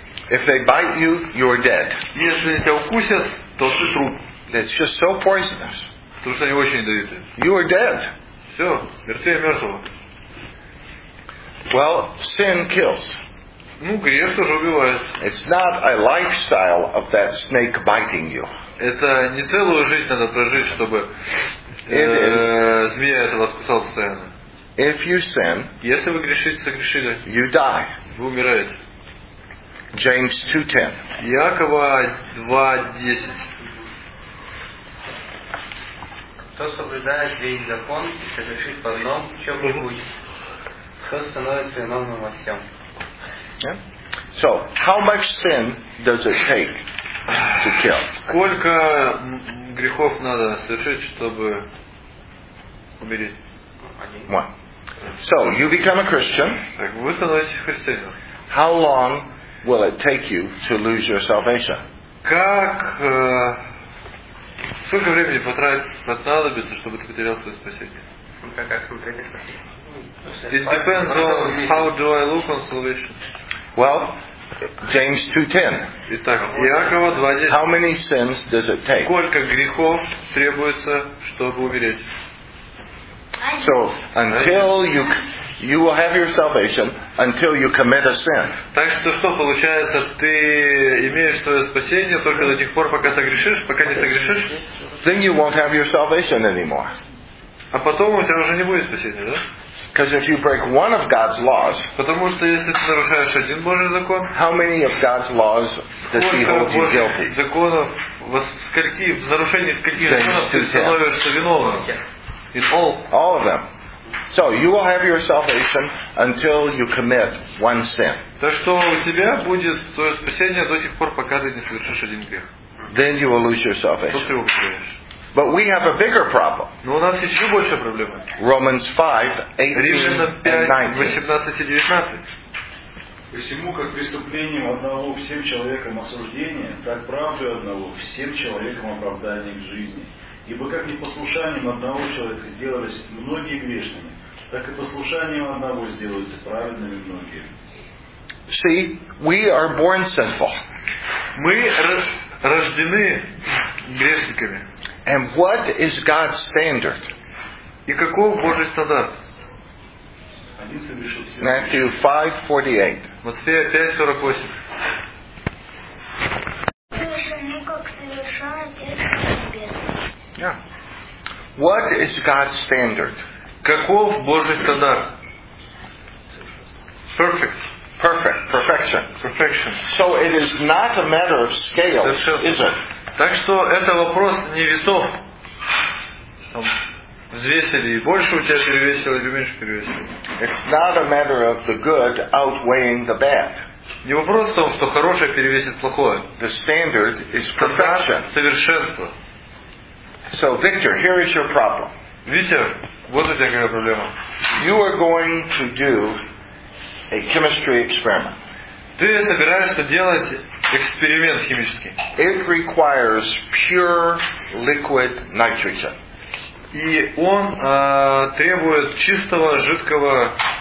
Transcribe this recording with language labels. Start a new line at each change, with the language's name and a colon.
English: If they bite you, you're dead.
Russian: Если они тебя укусят, то ты труп.
English: It's just so poisonous.
Russian: Потому что они очень ядовиты.
English: You are dead.
Russian: Все, мертвее мертвого.
English: Well, sin kills.
Russian: Ну, грех тоже убивает.
English: It's not a lifestyle of that snake biting you.
Russian: Это не целую жизнь надо прожить, чтобы змея этого кусала постоянно.
English: If you sin,
Russian: если вы грешите, согрешили,
English: you die.
Russian: Вы умираете.
English: James 2:10.
Russian: Иакова 2:10. Кто соблюдает весь закон и согрешит в одном, что будет? Кто становится виновным во всем?
English: Yeah. So, how much sin does it take to kill?
Russian: Сколько грехов надо совершить, чтобы умереть?
English: One. So, you become a Christian.
Russian: Так, вы становитесь христианином.
English: How long will it take you to lose your salvation?
Russian: Как... Сколько времени понадобится, чтобы ты потерял свое спасение?
English: It depends on how do I look on salvation. Well, James 2:10.
Russian: Итак, Иакова 2:10.
English: How many sins does it take?
Russian: Сколько грехов требуется, чтобы умереть?
English: So, until you will have your salvation until you commit a sin.
Russian: Так что что получается, ты имеешь твое спасение только до тех пор, пока согрешишь, пока не согрешишь?
English: Then you won't have your salvation anymore.
Russian: А потом у тебя уже не будет спасения, да?
English: Because if you break one of God's laws,
Russian: потому что если ты нарушаешь один Божий закон,
English: how many of God's laws does He hold you guilty?
Russian: Законов, в нарушении каких законов ты становишься виновным?
English: In all of them. So you will have your salvation until you commit one sin.
Russian: Так что у тебя будет твое спасение до тех пор, пока ты не совершишь один грех.
English: Then you will lose your salvation. But we have a bigger problem.
Russian: Но у нас еще большая проблема.
English: Romans 5:18-19.
Russian: Посему как преступлением одного всем человеком осуждение, так правдой одного всем человеком оправдание к жизни. Ибо как непослушанием одного человека сделались многие грешными, так и послушанием одного сделаются праведными многие.
English: See, we are born sinful.
Russian: Мы рождены грешниками.
English: And what is God's standard?
Russian: И каков Божий стандарт?
English: Matthew 5:48.
Russian: Матфея 5:48.
English: Yeah. What is God's standard?
Russian: Каков Божий стандарт?
English: Perfect. Perfect. Perfection. Perfection. So it is not a matter of scale, is it?
Russian: Так что это вопрос не весов. Там взвесили, больше у тебя перевесило или меньше перевесило.
English: It's not a matter of the good outweighing the bad.
Russian: Не вопрос в том, что хорошее перевесит плохое.
English: The standard is perfection.
Russian: Совершенство.
English: So, Victor, here is your problem.
Russian: Victor, вот у тебя какая проблема.
English: You are going to do a chemistry experiment.
Russian: Ты собираешься делать эксперимент химический.
English: It requires pure liquid nitrogen.
Russian: И он требует чистого жидкого